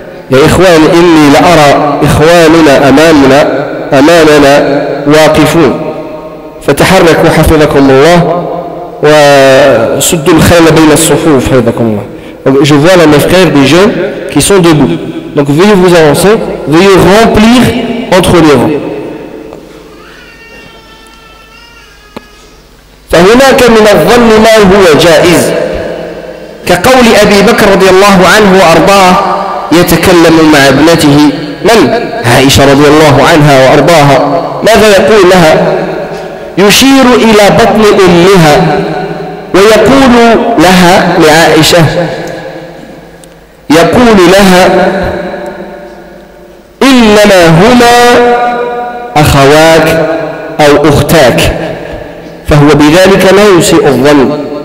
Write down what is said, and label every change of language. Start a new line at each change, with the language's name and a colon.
Arabic: يا إخوان إني لأرى إخواننا أمامنا واقفون، فتحركوا حفظكم الله وسدوا الخيل بين الصفوف حفظكم الله.
French: Je vois là mes frères, des jeunes qui sont debout. Donc veuillez vous avancer, veuillez remplir entre les rangs.
Arabic: فهناك من الظن ما هو جائز كقول أبي بكر رضي الله عنه وأرضاه يتكلم مع ابنته. من؟ عائشة رضي الله عنها وأرضاها. ماذا يقول لها؟ يشير إلى بطن أمها ويقول لها لعائشة يقول لها إنما هما أخواك أو أختاك، فهو بذلك لا يسيء الظن.